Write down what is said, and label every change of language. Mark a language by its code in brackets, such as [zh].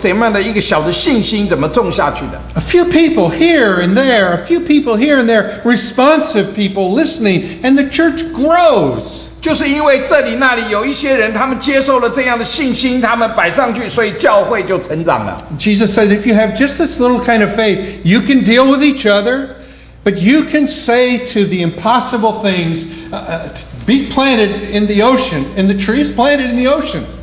[zh] 当我们来想想中国的情形，可能今天有4000万的信徒，可是我们来想想他们到底是怎么样的一个小的信心，怎么种下去的？ [en] A few people here and there, a few people here and there, responsive people listening, and the church grows. [zh] 就是因为这里那里有一些人，他们接受了这样的信心，他们摆上去，所以教会就成长了。 [en] Jesus said, if you have just this little kind of faith, you can deal with each other, but you can say to the impossible things, be planted in the ocean, and the tree is planted in the ocean.